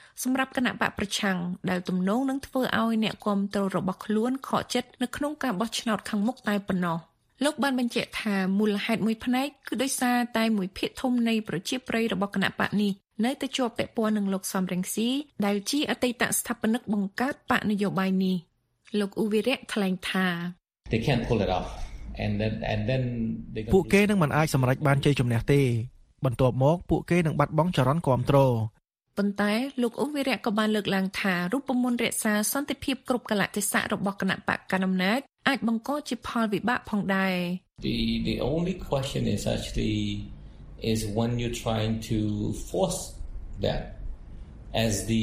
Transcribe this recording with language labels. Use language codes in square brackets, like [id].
[km] សម្រាប់គណៈបកប្រឆាំងដែលទំនងនឹងធ្វើឲ្យអ្នកគាំទ្ររបស់ខ្លួនខកចិត្តនៅក្នុងការបោះឆ្នោតខាងមុខតែប៉ុណ្ណោះលោកបានបញ្ជាក់ថាមូលហេតុមួយផ្នែកគឺដោយសារតែមួយភាគធំនៃប្រជាប្រិយរបស់គណៈបកនេះនៅតែជាប់ពាក់ព័ន្ធនឹងលោកសំរងស៊ីដែលជាអតីតស្ថាបនិកបង្កើតបកនយោបាយនេះលោកអ៊ូវីរៈថ្លែងថា [en] They can't pull it off and then they [km] ពួកគេនឹងមិនអាចសម្រេចបានជ័យជំនះទេបន្ទាប់មកពួកគេនឹងបាត់បង់ចរន្តគ្រប់គ្រង ប៉ុន្តែលោកអ៊ូវីរៈក៏បានលើកឡើងថារូបមន្តរក្សាសន្តិភាពគ្រប់កលៈទេសៈរបស់គណៈបកកណ្ដាលអំណាចអាចបង្កជាផលវិបាកផងដែរ [en] The only question is actually is when you're trying to force that as